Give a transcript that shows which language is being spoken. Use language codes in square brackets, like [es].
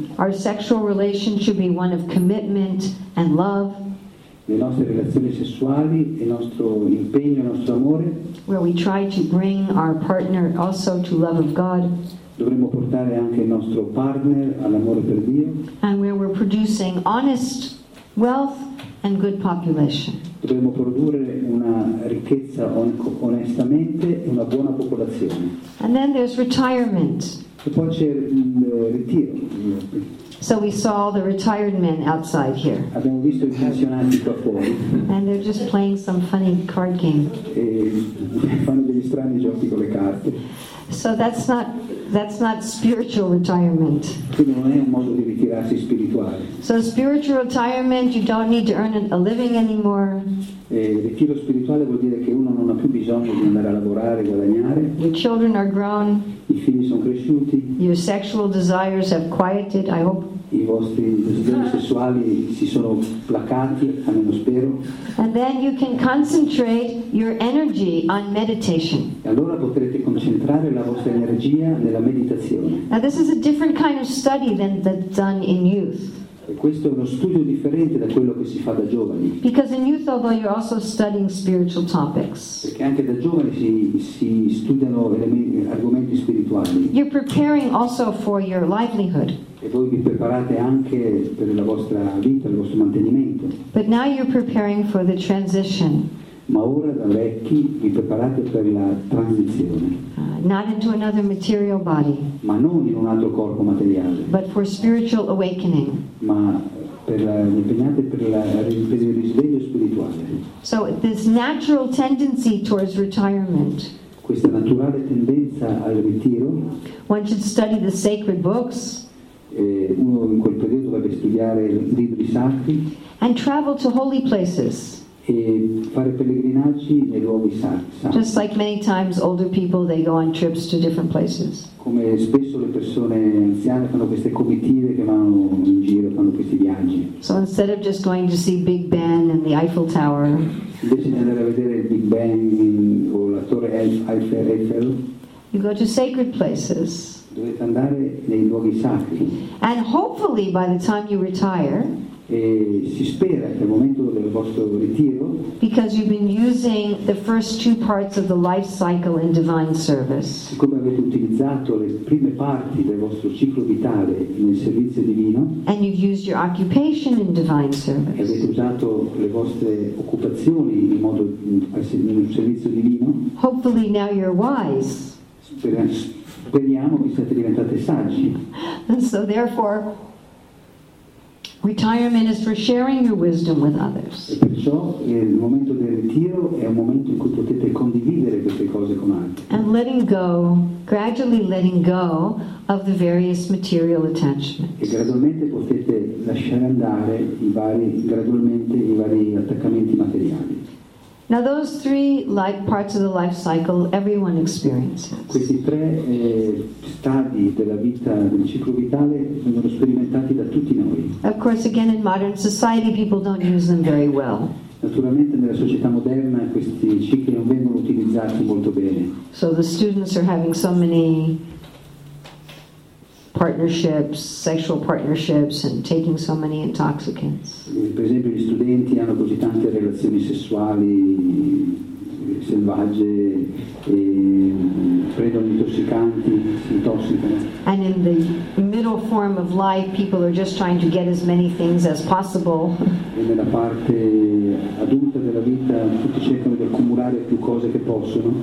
[en] our sexual relation should be one of commitment and love. [it] Le nostre relazioni sessuali, il nostro impegno, il nostro amore, [en] where we try to bring our partner also to love of God. [it] Dovremmo portare anche il nostro partner all'amore per Dio. [en] And where we're producing honest wealth and good population. [it] Dovremmo produrre una ricchezza onestamente e una buona popolazione. [en] And then there's retirement. [it] E poi c'è il ritiro. [en] So we saw the retired men outside here. [it] Abbiamo visto i pensionati qua fuori. [en] And they're just playing some funny card game. [it] E fanno degli strani giochi con le carte. [en] So that's not spiritual retirement. [it] Quindi non è un modo di ritirarsi spirituale. [en] So spiritual retirement, you don't need to earn a living anymore. [it] E ritiro spirituale vuol dire che uno non ha più bisogno di andare a lavorare, guadagnare. [en] Your children are grown. [it] I figli sono cresciuti. [en] Your sexual desires have quieted, I hope. [it] I vostri desideri sessuali si sono placati, almeno spero. [en] And then you can concentrate your energy on meditation. [it] E allora potrete concentrare la vostra energia nella meditazione. [en] Now this is a different kind of study than that done in youth. [it] Questo è uno studio differente da quello che si fa da giovani. [en] Because in youth, although you're also studying spiritual topics. [it] Perché anche da giovani si studiano argomenti spirituali. [en] You're preparing also for your livelihood. [it] E voi vi preparate anche per la vostra vita, il vostro mantenimento. [en] But now you're preparing for the transition. [it] Ma ora da vecchi vi preparate per la transizione. [en] Not into another material body. [it] Ma non in un altro corpo materiale. [en] But for spiritual awakening. [it] Ma per il risveglio spirituale. [en] So this natural tendency towards retirement. [it] Questa naturale tendenza al ritiro. [en] One should study the sacred books. [it] Uno in quel periodo dovrebbe studiare libri sacri. [en] And travel to holy places. [it] E fare pellegrinaggi nei luoghi sacri. [en] Just like many times older people, they go on trips to different places. [it] Come spesso le persone anziane fanno queste comitive che vanno in giro, fanno questi viaggi. [en] So instead of just going to see Big Ben and the Eiffel Tower, [it] invece di andare a vedere il Big Ben o la Torre Eiffel, [en] you go to sacred places. [it] Dovete andare nei luoghi sacri. [en] And hopefully by the time you retire, [it] e si spera che al momento del vostro ritiro, [en] because you've been using the first two parts of the life cycle in divine service, [it] come avete utilizzato le prime parti del vostro ciclo vitale nel servizio divino, [en] and you've used your occupation in divine service, [it] e avete usato le vostre occupazioni in modo nel servizio divino, [en] hopefully now you're wise. [it] Speriamo che siate diventati saggi. [en] And so therefore retirement is for sharing your wisdom with others. [it] E perciò il momento del ritiro è un momento in cui potete condividere queste cose con altri. [en] And letting go, gradually letting go of the various material attachments. [it] E gradualmente potete lasciare andare i vari attaccamenti materiali. [en] Now those three like parts of the life cycle everyone experiences. [it] Questi tre stadi della vita del ciclo vitale vengono sperimentati da tutti noi. [en] Of course, again, in modern society, people don't use them very well. [it] Naturalmente, nella società moderna, questi cicli non vengono utilizzati molto bene. [en] So the students are having so many partnerships, sexual partnerships, and taking so many intoxicants. [it] Per esempio, gli studenti hanno così tante relazioni sessuali selvagge e prendono intossicanti, si intossicano. [en] And in the middle form of life, people are just trying to get as many things as possible. [it] E nella parte adulta della vita, tutti cercano di accumulare più cose che possono.